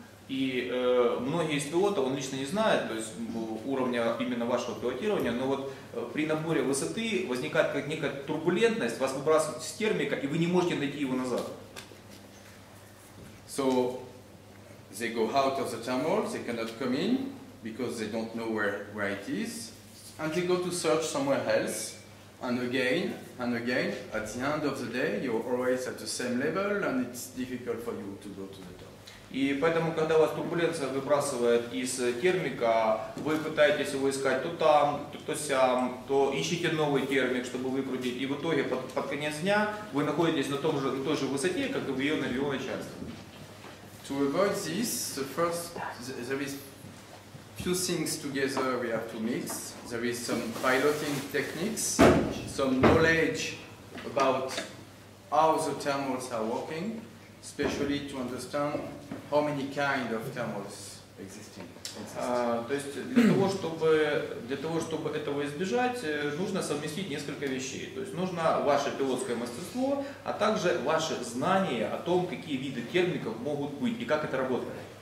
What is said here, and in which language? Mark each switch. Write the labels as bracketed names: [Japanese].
[Russian] И многие из пилотов, он лично не знает, то есть уровня именно вашего пилотирования, но вот при наборе высоты возникает как некая турбулентность, вас выбрасывают с термика, и вы не можете найти его назад. [English] So they go out of the thermal, they cannot come in, because they don't know where it is, and they go to search somewhere else, and again, at the end of the day, you're always at the same level, and it's difficult for you to go to the top. [Russian] И поэтому, когда вас турбуленция выбрасывает из термика, вы пытаетесь его искать то там, то сям, то ищите новый термик, чтобы выкрутить, и в итоге, под конец дня, вы находитесь на той же высоте, как и в ее нулевом начальстве. [English] To avoid this, the first, there is few things together we have to mix. There is some piloting techniques, some knowledge about how the thermals are working, especially to understand how many kind of thermals existing. [Russian] То есть для того, чтобы этого избежать, нужно совместить несколько вещей. То есть нужно ваше пилотское мастерство, а также ваше знание о том, какие виды термиков могут быть и как это работает.